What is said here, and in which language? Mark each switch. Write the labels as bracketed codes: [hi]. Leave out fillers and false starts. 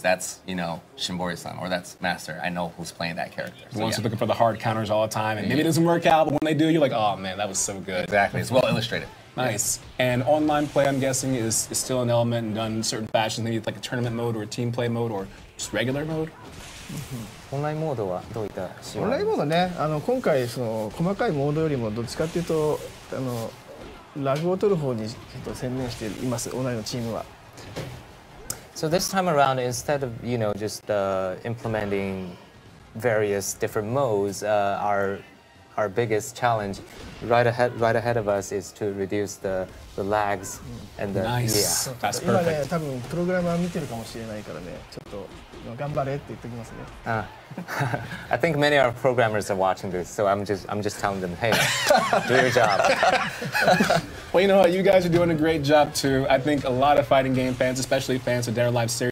[en] That's, you know, Shinbori-san, or that's Master. I know who's playing that character. The ones who are looking for the hard counters all the time, and maybe it doesn't work out, but when they do, you're like, oh man, that was so good. Exactly. It's well illustrated. Nice. And online play, I'm guessing, is still an element and done in certain fashions. Maybe it's like a tournament mode or a team play mode or just regular mode? [ja] オンラインモードはどういった仕様？オンラインモードね、あの今回その細かいモードよりもどっちかっていうとあのラグを取る方にちょっと専念しています、オンラインのチームは。 [en] So this time around, instead of, you know, just implementing various different modes, our biggest challenge right ahead of us is to reduce the lags and the nice. Yeah. That's perfect. [ja] 今ね、多分プログラマー見てるかもしれないからね、ちょっと頑張れって言っておきますね。 [en] I think many of our programmers are watching this, so I'm just telling them, hey, do your job. Well, you know what? You guys are doing a great job, too. I think a lot of fighting game fans, especially fans of Dead or Alive series,